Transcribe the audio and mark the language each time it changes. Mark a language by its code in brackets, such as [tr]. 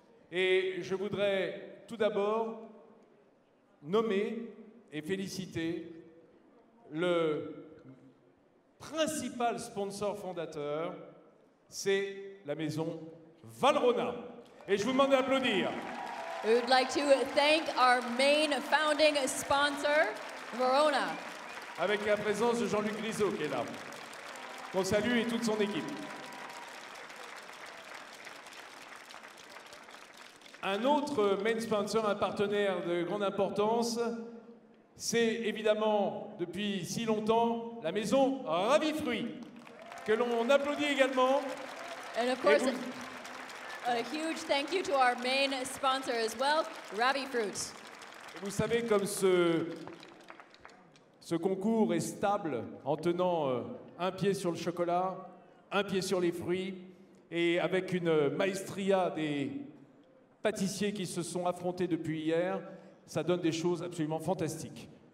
[fr] Et je voudrais tout d'abord nommer et féliciter le principal sponsor fondateur, c'est la maison Valrhona. Et je vous demande d'applaudir. [en] We would like to thank our main founding sponsor, Verona. [fr] Avec la présence de Jean-Luc Lizot qui est là. Qu'on salue et toute son équipe. Un autre [en] main sponsor, [fr] un partenaire de grande importance, c'est évidemment depuis si longtemps la maison Ravi Fruits, que l'on applaudit également. [en] And of course, a huge thank you to our main sponsor as well, Ravi Fruits. [fr] Vous savez, comme ce concours est stable en tenant un pied sur le chocolat, un pied sur les fruits, et avec une maestria des pâtissiers qui se sont affrontés depuis hier, ça donne des choses absolument fantastiques.